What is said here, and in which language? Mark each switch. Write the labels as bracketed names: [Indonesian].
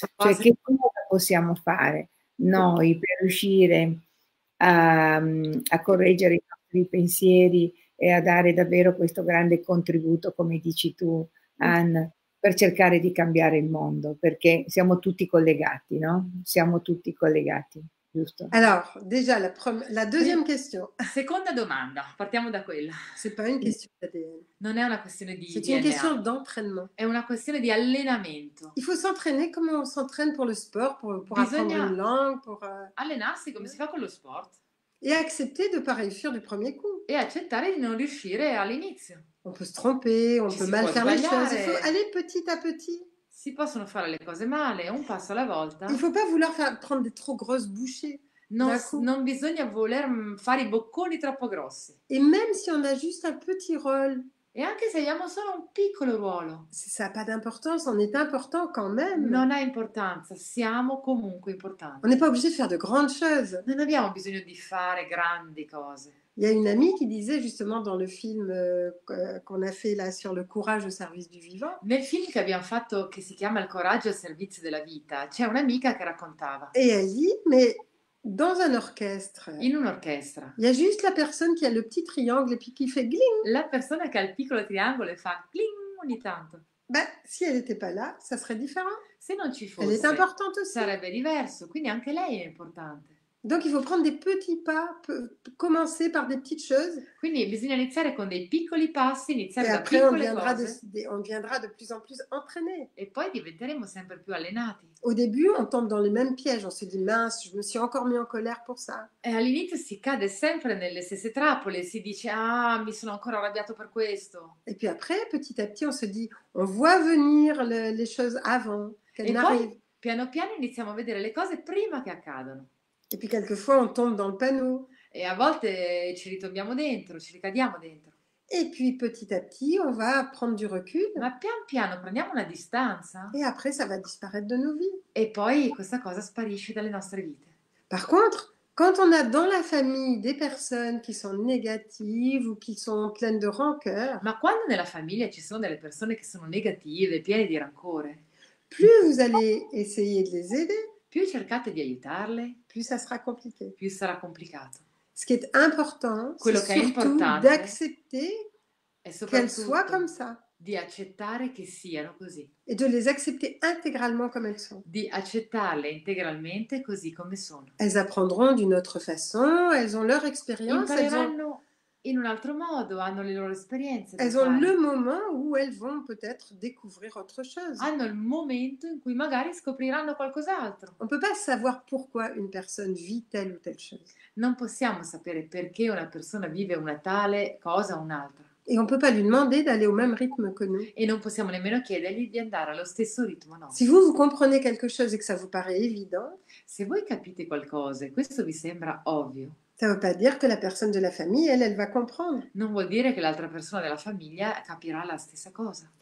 [Italian] Cioè, che cosa possiamo fare noi per riuscire a correggere i nostri pensieri e a dare davvero questo grande contributo, come dici tu, Anna, per cercare di cambiare il mondo, perché siamo tutti collegati, no? Siamo tutti collegati, giusto? Allora, già [French] la deuxième question. [Italian] Seconda domanda, partiamo da quella. [French] C'est pas une question d'ADN. [Italian] Non è una questione di [French] DNA. C'est une question d'entraînement. [Italian] È una questione di allenamento. [French] Il faut s'entraîner comme on s'entraîne pour le sport, pour apprendre une langue, pour... [Italian] Allenarsi come si fa con lo sport. [French] Et accepter de ne pas réussir du premier coup. Et accepter de ne pas réussir à l'initio. On peut se tromper, on peut mal faire les choses. Il faut aller petit à petit. [Italian] Si possono fare le cose male, un passo alla volta. [French] Il ne faut pas vouloir prendre des trop grosses bouchées. [Italian] Non bisogna voler fare i bocconi troppo grossi. [French] Et même si on a juste un petit rôle. [Italian] E anche se abbiamo solo un piccolo ruolo. [French] Ça n'a pas d'importance, on est important quand même. [Italian] Non ha importanza, siamo comunque importanti. [French] On n'est pas obligé de faire de grandes choses. [Italian] Non abbiamo bisogno di fare grandi cose. [French] Il y a une amie qui disait justement dans le film qu'on a fait là sur le courage au service du vivant. [Italian] Nel film che abbiamo fatto, che si chiama Il coraggio al servizio della vita, c'è un'amica che raccontava. [French] Et elle dit, mais dans un orchestre. [Italian] In un orchestra. [French] Il y a juste la personne qui a le petit triangle et puis qui fait gling. [Italian] La persona che ha il piccolo triangolo e fa gling ogni tanto. [French] Beh, si elle n'était pas là, ça serait différent. [Italian] Se non ci fosse. [French] Elle est importante aussi. [Italian] Sarebbe diverso, quindi anche lei è importante. [French] Donc il faut prendre des petits pas, commencer par des petites choses. [Italian] Quindi bisogna iniziare con dei piccoli passi, iniziare [French] et [Italian] da piccole cose. [French] On viendra de plus en plus entraîné. [Italian] E poi diventeremo sempre più allenati. [French] Au début, on tombe dans le même piège, on se dit mince, je me suis encore mis en colère pour ça. [Italian] E all'inizio si cade sempre nelle stesse trappole, si dice ah, mi sono ancora arrabbiato per questo. [French] Et puis après, petit à petit, on se dit on voit venir les choses avant qu'elles n'arrivent. [Italian] E poi piano piano iniziamo a vedere le cose prima che accadano. [French] Et puis quelquefois on tombe dans le panneau. [Italian] E a volte ci ritombiamo dentro, ci ricadiamo dentro. [French] Et puis petit à petit on va prendre du recul. [Italian] Ma pian piano prendiamo una distanza. [French] Et après ça va disparaître de nos vies. [Italian] E poi questa cosa sparisce dalle nostre vite. [French] Par contre, quand on a dans la famille des personnes qui sont négatives ou qui sont pleines de rancœur. [Italian] Ma quando nella famiglia ci sono delle persone che sono negative, piene di rancore. [French] Plus vous allez essayer de les aider. [Italian] Più cercate di aiutarle, più [French] ça sera compliqué. [Italian] Più sarà complicato. [French] Ce qui est important, [Italian] quello [French] c'est [Italian] che è importante, [French] d'accepter qu'elles soient comme ça. [Italian] Di accettare che siano così. [French] Et de les accepter intégralement comme elles sont. [Italian] Di accettarle integralmente così come sono. [French] Elles apprendront d'une autre façon, elles ont leur expérience. [Italian] Impareranno in un altro modo, hanno le loro esperienze. [French] Elles ont le moment où elles vont peut-être découvrir autre chose. [Italian] Hanno il momento in cui magari scopriranno qualcos'altro. [French] On peut pas savoir pourquoi une personne vit telle ou telle chose. [Italian] Non possiamo sapere perché una persona vive una tale cosa o un'altra. [French] Et on peut pas lui demander d'aller au même rythme que nous. [Italian] E non possiamo nemmeno chiedergli di andare allo stesso ritmo nostro. [French] Si vous comprenez quelque chose et que ça vous paraît évident. [Italian] Se voi capite qualcosa e questo vi sembra ovvio. [French] Ça ne veut pas dire que la personne de la famille, elle va comprendre. [Italian] Non vuol dire che l'altra persona della famiglia capirà la stessa cosa.